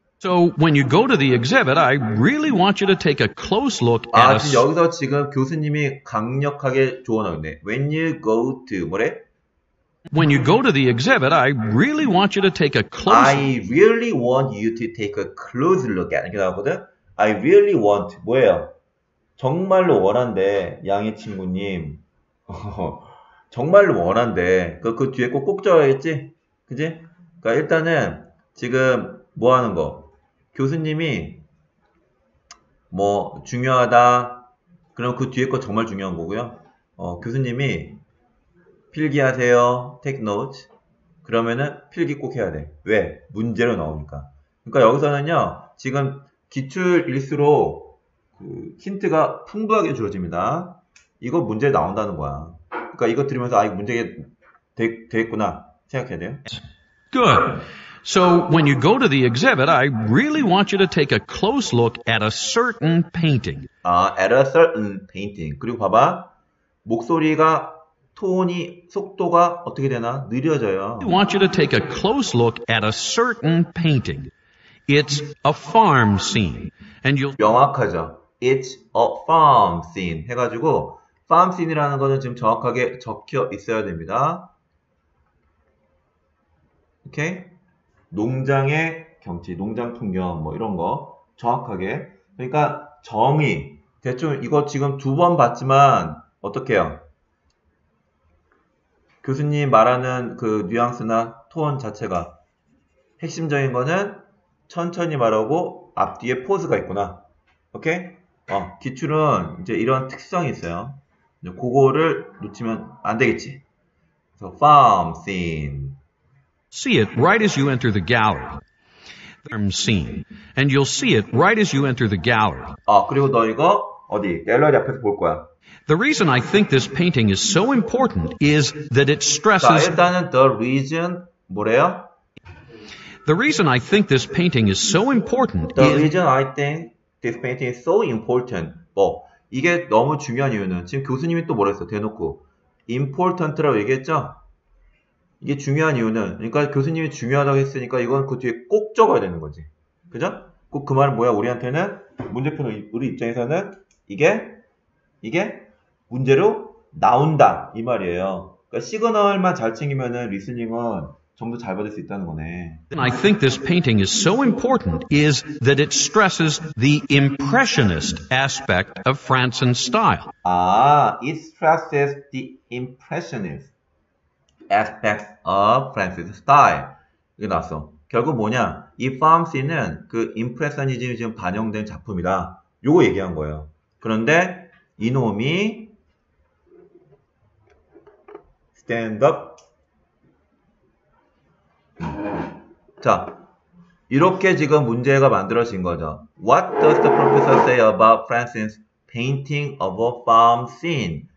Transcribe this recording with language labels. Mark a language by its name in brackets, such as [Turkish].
[English] So when you go to the exhibit, I really want you to take a close look at. [Korean] 아, 지금 여기서 지금 교수님이 강력하게 조언하고 있네. [English] When you go to [Korean] 뭐래? [English] When you go to the exhibit, I really want you to take a close. I really want you to take a close look at. [Korean] 이렇게 나오거든. [English] I really want [Korean] 뭐예요? 정말로 원한대 양의 친구님. 정말로 원한데 그 뒤에 꼭 적어야겠지? 그지? 그러니까 일단은 지금 뭐 하는 거? 교수님이 뭐 중요하다 그럼 그 뒤에 거 정말 중요한 거고요. 교수님이 필기하세요. [English] Take notes. [Korean] 그러면은 필기 꼭 해야 돼. 왜? 문제로 나오니까. 그러니까 여기서는요 지금 기출일수록 그 힌트가 풍부하게 주어집니다. 이거 문제 나온다는 거야. 그러니까 이거 들으면서 아 이거 문제가 됐구나 생각해야 돼요. [English] Good. So when you go to the exhibit, I really want you to take a close look at a certain painting. At a certain painting. [Korean] 그리고 봐봐. 목소리가 톤이 속도가 어떻게 되나? 느려져요. [English] I want you to take a close look at a certain painting. It's a farm scene. And you'll [Korean] 명확하죠. [English] It's a farm scene [Korean] 해 가지고 farm scene이라는 거는 지금 정확하게 적혀 있어야 됩니다. 오케이? 농장의 경치, 농장 풍경, 뭐 이런 거. 정확하게. 그러니까 정의. 대충 이거 지금 두 번 봤지만, 어떡해요? 교수님 말하는 그 뉘앙스나 톤 자체가 핵심적인 거는 천천히 말하고 앞뒤에 포즈가 있구나. 오케이? 기출은 이제 이런 특성이 있어요. 이제 그거를 놓치면 안 되겠지. [English] So, farm scene. See it right as you enter the gallery. Farm scene. And you'll see it right as you enter the gallery. [Korean] 그리고 너 이거 어디? 갤러리 앞에서 볼 거야. [English] The reason I think this painting is so important is that it stresses. [Korean] 자, 일단은 [English] the reason [Korean] 뭐래요? [English] The reason I think this painting is so important. The reason I think this painting is so important. [Korean] 뭐 이게 너무 중요한 이유는 지금 교수님이 또 뭐라 했어? 대놓고 important라고 얘기했죠? 이게 중요한 이유는 그러니까 교수님이 중요하다고 했으니까 이건 그 뒤에 꼭 적어야 되는 거지. 그죠? 꼭 그 말은 뭐야? 우리한테는 문제푸는 우리 입장에서는 이게 문제로 나온다 이 말이에요. 그러니까 시그널만 잘 챙기면은 리스닝은 좀 더 잘 받을 수 있다는 거네. [English] I think this painting is so important is that it stresses the impressionist aspect of France and style. It stresses the impressionist aspect of France's style. [Korean] 이게 나왔어. 결국 뭐냐? 이 farm scene은 그 임프레셔니즘이 지금 반영된 작품이다. 요거 얘기한 거예요. 그런데 이놈이 [English] stand up. [Korean] 자, 이렇게 지금 문제가 만들어진 거죠. [English] What does the professor say about Francis painting of a farm scene?